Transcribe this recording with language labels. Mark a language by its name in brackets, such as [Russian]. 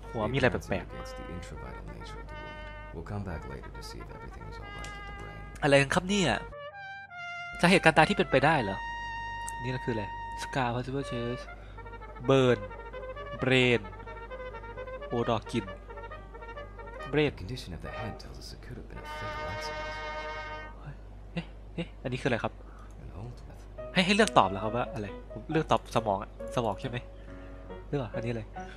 [Thai] หัวมีอะไรแปลกๆ [English] It's the intravital nature of the wound. We'll come back later to see if everything is all right with the brain. [Thai] อะไรกันครับเนี่ยสาเหตุการตายที่เป็นไปได้เหรอนี่ก็คืออะไร [English] Scar possible chest burn brain odor [Thai] กลิ่น [English] brain condition of the head tells us it could have been a fatal accident. [Thai] อันนี้คืออะไรครับให้เลือกตอบแล้วครับว่าอะไรผมเลือกตอบสมองใช่มั้ยเรื่องอันนี้เลย